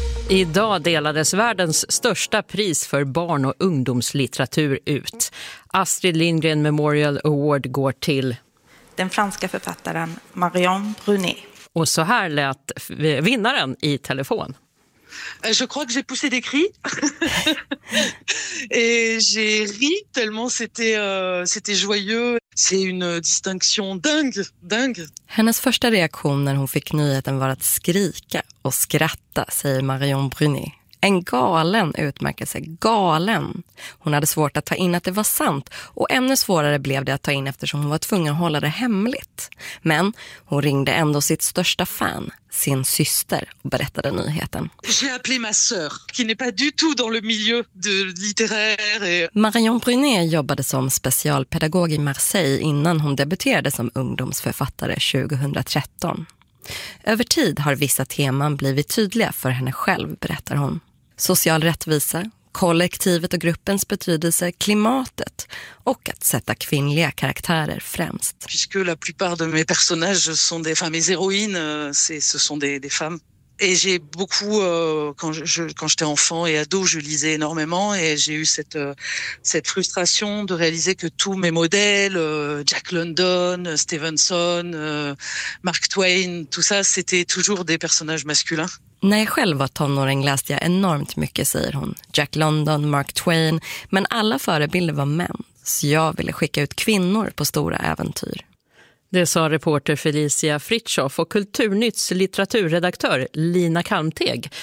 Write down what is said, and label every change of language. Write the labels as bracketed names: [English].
[Swedish] Idag delades världens största pris för barn- och ungdomslitteratur ut. Astrid Lindgren Memorial Award går till den franska författaren Marion Brunet. Och så här lät vinnaren i telefon. [French] Je crois que j'ai poussé des cris et j'ai ri tellement c'était joyeux. C'est une distinction dingue, dingue. [Swedish] Hennes första reaktion när hon fick nyheten var att skrika och skratta, säger Marion Brunet. En galen utmärkelse, galen. Hon hade svårt att ta in att det var sant och ännu svårare blev det att ta in eftersom hon var tvungen att hålla det hemligt. Men hon ringde ändå sitt största fan, sin syster, och berättade nyheten. [French] J'ai appelé ma sœur, qui n'est pas du tout dans le milieu de littéraire. [Swedish] Marion Brunet jobbade som specialpedagog i Marseille innan hon debuterade som ungdomsförfattare 2013. Över tid har vissa teman blivit tydliga för henne själv, berättar hon. Social rättvisa, kollektivet och gruppens betydelse, klimatet och att sätta kvinnliga karaktärer främst. [French] Puisque la plupart de mes personnages sont des femmes, mes héroïnes, ce sont des femmes. Et j'ai beaucoup quand j'étais enfant et ado, je lisais énormément et j'ai eu cette frustration de réaliser que tous mes modèles, Jack London, Stevenson, Mark Twain, tout ça, c'était toujours des personnages masculins. [Swedish] När jag själv var tonåring läste jag enormt mycket, säger hon. Jack London, Mark Twain, men alla förebilder var män. Så jag ville skicka ut kvinnor på stora äventyr. Det sa reporter Felicia Fritschoff och Kulturnytts litteraturredaktör Lina Kalmteg.